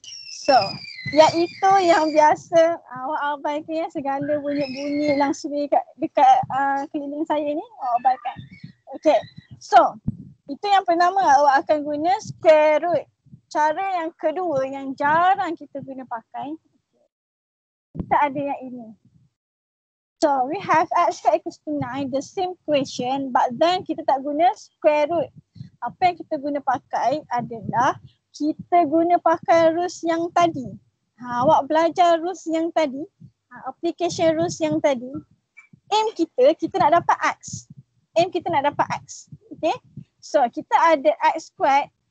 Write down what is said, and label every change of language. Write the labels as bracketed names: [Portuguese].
[Malay] So, iaitu yang biasa awak abaikan ya, segala bunyi-bunyi langsung dekat keliling saya ni, awak abaikan. Okay, so itu yang pertama awak akan guna square root. Cara yang kedua yang jarang kita guna pakai, kita ada yang ini. [English] So, we have x squared equals to 9, the same question but then [Malay] kita tak guna square root. Apa yang kita guna pakai adalah kita guna pakai rules yang tadi. Ha, awak belajar rules yang tadi. Ha, [English] application rules [Malay] yang tadi. Aim kita, kita nak dapat x. Aim kita nak dapat x. Okay. So kita ada x squared.